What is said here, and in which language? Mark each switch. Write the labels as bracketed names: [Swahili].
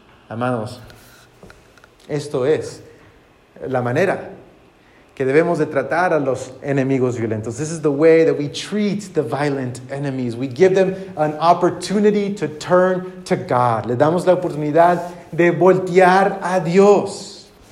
[Spanish] Amados, esto es la manera que debemos de tratar a los enemigos violentos. [English] This is the way that we treat the violent enemies. We give them an opportunity to turn to God. [Spanish] Le damos la oportunidad de voltear a Dios.